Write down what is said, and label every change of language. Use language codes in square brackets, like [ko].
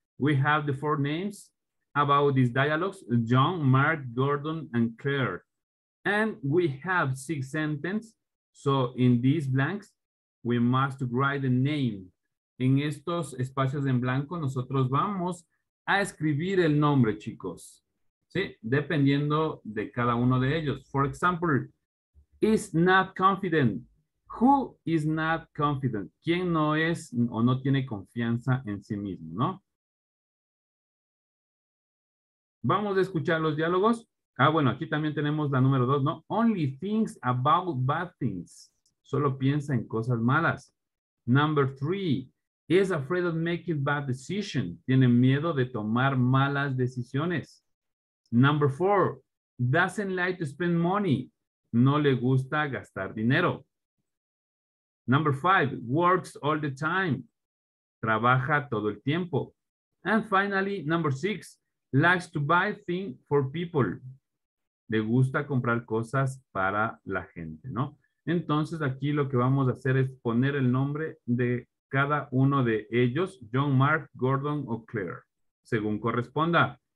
[en] We have the four names about these dialogues, John, Mark, Gordon, and Claire. And we have six sentences. So in these blanks, we must write the name. [es] En estos espacios en blanco, nosotros vamos a escribir el nombre, chicos. ¿Sí? Dependiendo de cada uno de ellos. [en] For example, is not confident. Who is not confident? [es] ¿Quién no es o no tiene confianza en sí mismo, no? Vamos a escuchar los diálogos. Ah, bueno, aquí también tenemos la número dos, ¿no? [en] Only thinks about bad things. [es] Solo piensa en cosas malas. [en] Number three. Is afraid of making bad decisions. [es] Tiene miedo de tomar malas decisiones. [en] Number four, doesn't like to spend money. [es] No le gusta gastar dinero. [en] Number five, works all the time. [es] Trabaja todo el tiempo. [en] And finally, number six, likes to buy things for people. [es] Le gusta comprar cosas para la gente, ¿no? Entonces aquí lo que vamos a hacer es poner el nombre de cada uno de ellos, John, Mark, Gordon o Claire, según corresponda.